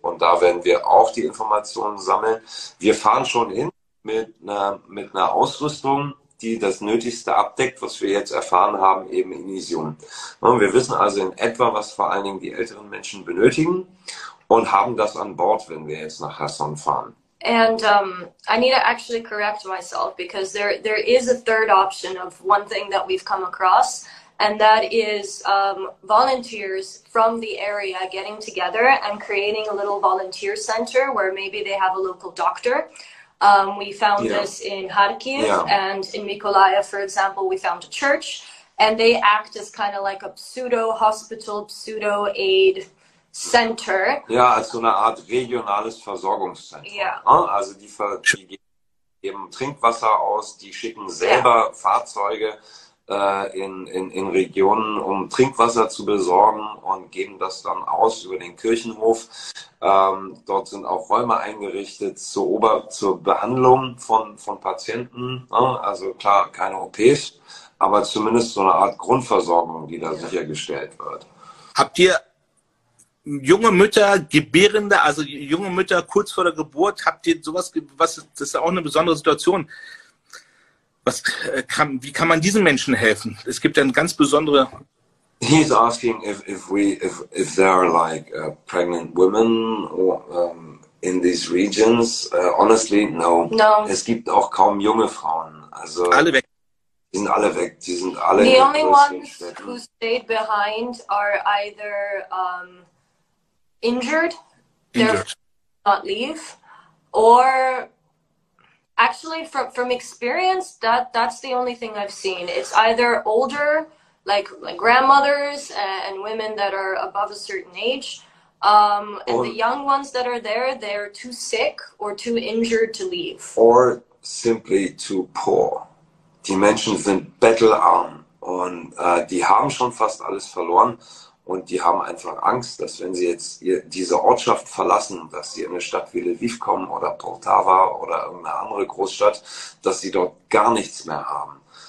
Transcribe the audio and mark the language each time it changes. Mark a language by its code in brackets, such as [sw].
[de] Und da werden wir auch die Informationen sammeln. Wir fahren schon hin mit einer Ausrüstung, die das Nötigste abdeckt, was wir jetzt erfahren haben, eben in Isium. Und wir wissen also in etwa, was vor allen Dingen die älteren Menschen benötigen. Und haben das an Bord, wenn wir jetzt nach Cherson fahren. [en] And I need to actually correct myself, because there is a third option of one thing that we've come across, and that is volunteers from the area getting together and creating a little volunteer center where maybe they have a local doctor. We found this in Kharkiv and in Mykolaiv, for example, we found a church, and they act as kind of like a pseudo-hospital, pseudo-aid Center. [de] Ja, als so eine Art regionales Versorgungszentrum. [en] Yeah. [de] Also die geben Trinkwasser aus, die schicken selber Fahrzeuge in Regionen, um Trinkwasser zu besorgen und geben das dann aus über den Kirchenhof. Dort sind auch Räume eingerichtet zur Behandlung von Patienten. Also klar, keine OPs, aber zumindest so eine Art Grundversorgung, die da sichergestellt wird. Habt ihr junge Mütter, Gebärende, also junge Mütter kurz vor der Geburt, habt ihr sowas, das ist ja auch eine besondere Situation. Wie kann man diesen Menschen helfen? Es gibt ja eine ganz besondere. [en] He's asking if there are like pregnant women or, in these regions. Honestly, no. No. [de] Es gibt auch kaum junge Frauen. Also, alle weg. Die sind alle weg. Die sind alle [en] The only ones who stayed behind are either. Injured, they're not leave, or actually from experience that's the only thing I've seen. It's either older, like grandmothers and women that are above a certain age, and the young ones that are there, they're too sick or too injured to leave, or simply too poor. [de] Die Menschen sind bettelarm und die haben schon fast alles verloren. Und die haben einfach Angst, dass wenn sie jetzt diese Ortschaft verlassen, dass sie in eine Stadt wie Lviv kommen oder Poltava oder irgendeine andere Großstadt, dass sie dort gar nichts mehr haben.